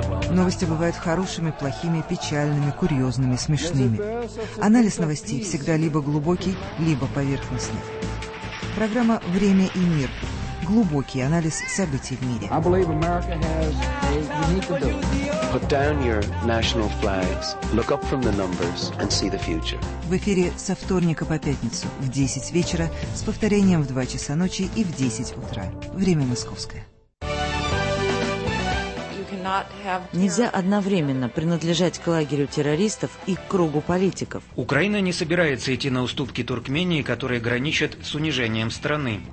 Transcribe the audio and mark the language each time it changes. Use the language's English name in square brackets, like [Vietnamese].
[Russian] Новости бывают хорошими, плохими, печальными, курьезными, смешными. Анализ новостей всегда либо глубокий, либо поверхностный. Программа «Время и мир». Глубокий анализ событий в мире. [English] I believe America has a unique ability. Put down your national flags, look up from the numbers and see the future. [Russian] В эфире со вторника по пятницу в 10 вечера с повторением в 2 часа ночи и в 10 утра. Время московское. Нельзя одновременно принадлежать к лагерю террористов и к кругу политиков. Украина не собирается идти на уступки Туркмении, которые граничат с унижением страны.